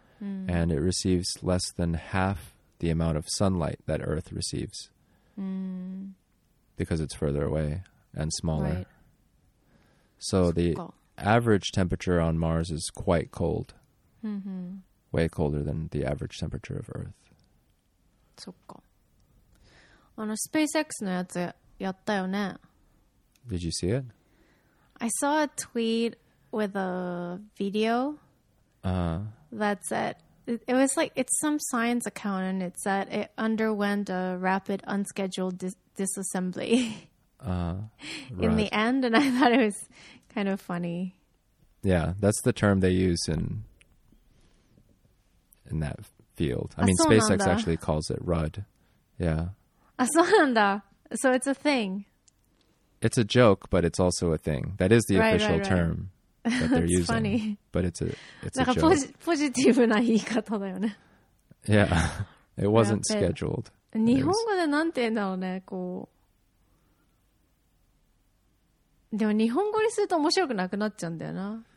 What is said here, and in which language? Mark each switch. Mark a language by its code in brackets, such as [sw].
[en] And it receives less than half the amount of sunlight that Earth receives. Because it's further away and smaller. Right. So the average temperature on Mars is quite cold. Way colder than the average temperature of Earth. [ja] そっか。あのスペース X のやつやったよね。 [en] Did you see it? I saw a tweet with a video that said it was like it's some science account and it said it underwent a rapid unscheduled disassembly in the end, and I thought it was kind of funny. Yeah, that's the term they use in that field. I mean, SpaceX actually calls it RUD. Yeah. [ja] あ、そうなんだ. [en] So it's a thing. It's a joke, but it's also a thing. That is the official term that they're using. Funny. But it's a joke. [ja] ポジティブな言い方だよね. [en] Yeah. It wasn't scheduled. [ja] 日本語でなんて言うんだろうね? でも日本語にすると面白くなくなっちゃうんだよな.